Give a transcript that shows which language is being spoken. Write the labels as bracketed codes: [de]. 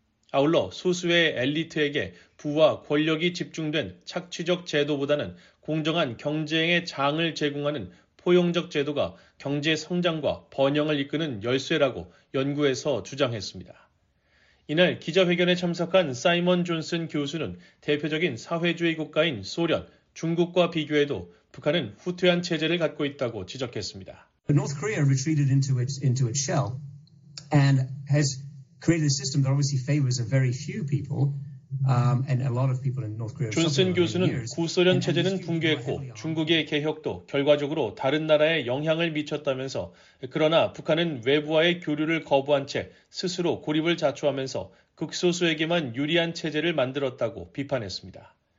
[ko] 아울러 소수의 엘리트에게 부와 권력이 집중된 착취적 제도보다는 공정한 경쟁의 장을 제공하는 포용적 제도가 경제 성장과 번영을 이끄는 열쇠라고 연구에서 주장했습니다. 이날 기자회견에 참석한 사이먼 존슨 교수는 대표적인 사회주의 국가인 소련, 중국과 비교해도 북한은 후퇴한 체제를 갖고 있다고 지적했습니다. [en] North Korea retreated into its shell and has created a system that obviously favors a very few people. And a lot of people in North Korea. [ko] 존슨 교수는 구소련 체제는 붕괴했고 중국의 개혁도 결과적으로 다른 나라에 영향을 미쳤다면서 그러나 북한은 외부와의 교류를 거부한 채 스스로 고립을 자초하면서 극소수에게만 유리한 체제를 만들었다고 비판했습니다.